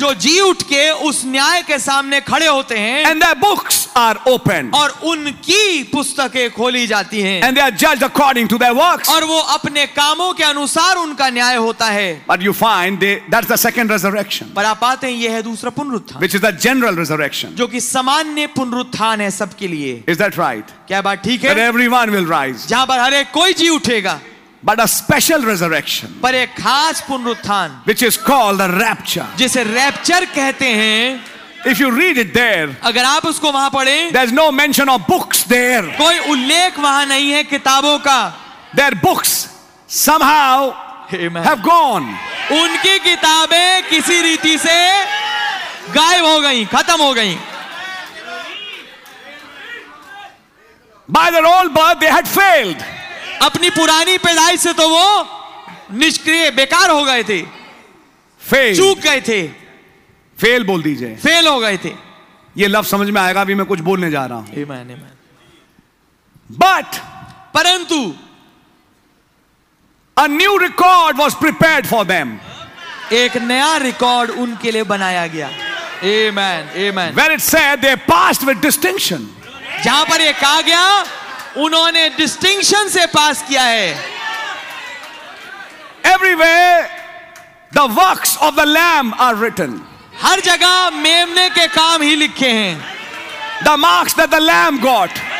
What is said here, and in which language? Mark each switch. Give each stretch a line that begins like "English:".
Hindi: जो जी उठ के उस न्याय के सामने खड़े होते हैं.
English: And their books are opened.
Hindi: और उनकी पुस्तकें खोली जाती हैं.
English: And they are judged according to their works.
Hindi: और वो अपने कामों के अनुसार उनका न्याय होता है.
English: But you find that's the second resurrection.
Hindi: पर आप पाते हैं ये है दूसरा पुनरुत्थान.
English: Which is the general resurrection.
Hindi: जो कि सामान्य पुनरुत्थान है सबके लिए.
English: Is that right?
Hindi: क्या बात ठीक है?
English: But everyone will rise.
Hindi: जहां पर हर एक कोई जी उठेगा.
English: But a special resurrection,
Hindi: पर एक खास पुनरुत्थान,
English: which is called the rapture,
Hindi: जिसे रैप्चर कहते हैं.
English: If you read it there,
Hindi: अगर आप उसको वहां पढ़ें,
English: there's no mention of books there,
Hindi: कोई उल्लेख वहां नहीं है किताबों का.
English: Their books somehow have gone,
Hindi: उनकी किताबें किसी रीति से गायब हो गई, खत्म हो गई.
English: By their old birth, they had failed.
Hindi: अपनी पुरानी पैदाइश से तो वो निष्क्रिय बेकार हो गए थे.
English: fail
Hindi: चूक गए थे. फेल बोल दीजिए. फेल हो गए थे. ये लव समझ में आएगा अभी मैं कुछ बोलने जा रहा हूं.
English: Amen, amen. But
Hindi: परंतु
English: a new record was prepared for them.
Hindi: एक नया रिकॉर्ड उनके लिए बनाया गया.
English: Amen, amen. When it said they passed with distinction.
Hindi: जहां पर ये कहा गया उन्होंने डिस्टिंक्शन से पास किया है.
English: Everywhere the works of the lamb are written.
Hindi: हर जगह मेमने के काम ही लिखे हैं.
English: The marks that the lamb got.